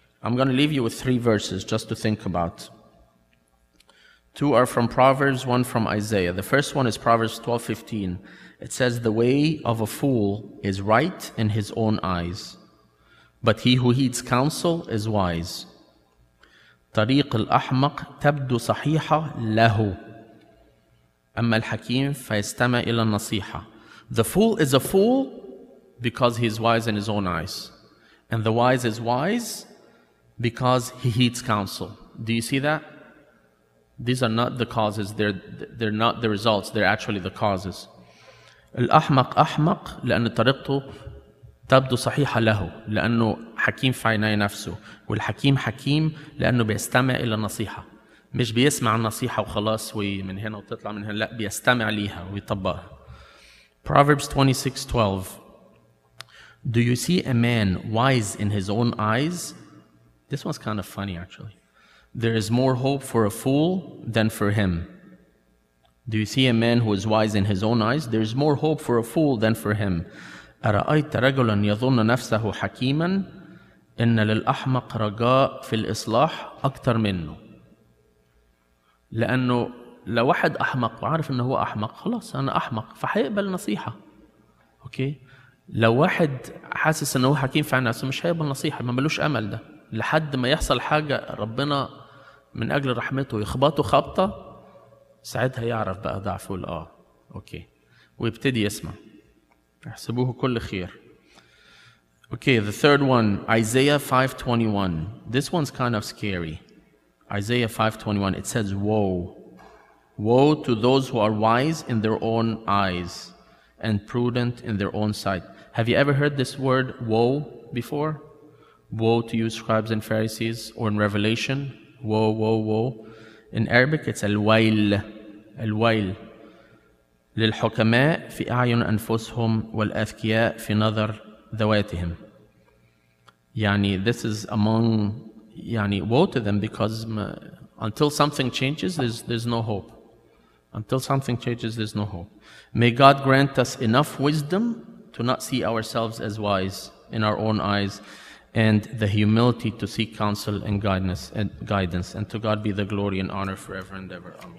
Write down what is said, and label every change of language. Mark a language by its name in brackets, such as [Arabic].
[English] I'm going to leave you with three verses just to think about. Two are from Proverbs, one from Isaiah. The first one is Proverbs 12:15. It says, the way of a fool is right in his own eyes, but he who heeds counsel is wise. [Arabic] طريق الأحمق تبدو صحيحة له أما الحكيم فيستمع إلى النصيحة. [English] The fool is a fool because he is wise in his own eyes. And the wise is wise because he heeds counsel. Do you see that? These are not the causes, they're not the results, they're actually the causes. [Arabic] الأحمق أحمق لأن طريقته تبدو صحيحة له لأنه حكيم في عيني نفسه والحكيم حكيم لأنه بيستمع إلى نصيحة مش بيسمع النصيحة وخلاص ومن هنا وتطلع من هنا لا بيستمع ليها ويطبقها. [English] Proverbs 26:12. Do you see a man wise in his own eyes? This one's kind of funny actually. There is more hope for a fool than for him. Do you see a man who is wise in his own eyes? There is more hope for a fool than for him. [Arabic] أرأيت رجلا يظن نفسه حكيما إن للأحمق رجاء في الإصلاح أكتر منه. لأنه لو واحد أحمق وعارف إنه هو أحمق خلاص أنا أحمق فحيقبل نصيحة. أوكي؟ لو واحد حاسس إنه هو حكيم في نفسه مش هيقبل نصيحة ما ملوش أمل ده لحد ما يحصل حاجة ربنا من أجل رحمته يخبطه خبطة ساعتها يعرف بقى ضعفه آه أوكي ويبتدي يسمع. احسبوه كل خير. [English] Okay, the third one, Isaiah 5:21. This one's kind of scary. Isaiah 5:21, it says, woe. Woe to those who are wise in their own eyes and prudent in their own sight. Have you ever heard this word, woe, before? Woe to you, scribes and Pharisees, or in Revelation, woe, woe, woe. In Arabic, it's al-wail, al-wail. [Arabic] للحكماء في أعين أنفسهم والأذكياء في نظر ذواتهم. يعني [English] this is among يعني woe to them because until something changes there's no hope. Until something changes there's no hope. May God grant us enough wisdom to not see ourselves as wise in our own eyes and the humility to seek counsel and guidance. And to God be the glory and honor forever and ever. Amen.